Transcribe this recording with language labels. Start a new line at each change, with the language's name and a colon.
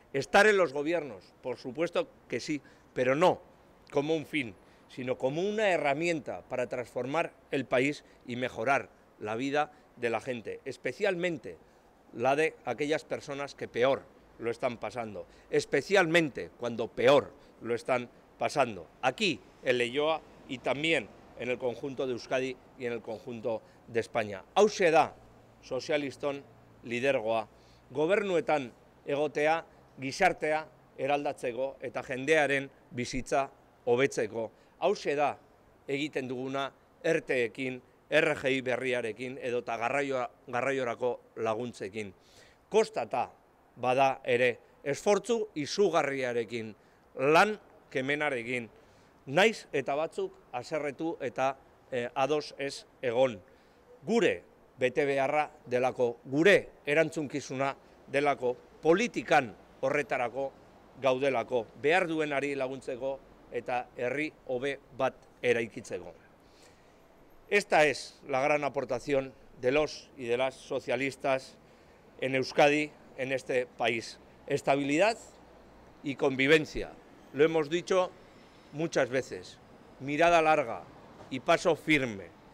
Spanish: Estar en los gobiernos, por supuesto que sí, pero no como un fin, sino como una herramienta para transformar el país y mejorar la vida de la gente, especialmente la de aquellas personas que peor lo están pasando, especialmente cuando peor lo están pasando, aquí en Leioa y también en el conjunto de Euskadi y en el conjunto de España.
Basque: Hauxe da sozialiston lidergoa, gobernuetan egotea, gizartea eraldatzeko eta jendearen bizitza hobetzeko. Hauxe da egiten duguna ERTEekin, RGI berriarekin edota garraiorako laguntzekin. Kostata bada ere, esfortzu izugarriarekin, lan kemenarekin, naiz eta batzuk haserretu eta ados ez egon. Gure betebeharra delako, gure erantzunkizuna delako, politikan horretarako gaudelako, behar duenari laguntzeko eta herri hobe bat eraikitzeko.
Spanish: Esta es la gran aportación de los y de las socialistas en Euskadi, en este país. Estabilidad y convivencia. Lo hemos dicho muchas veces, mirada larga y paso firme.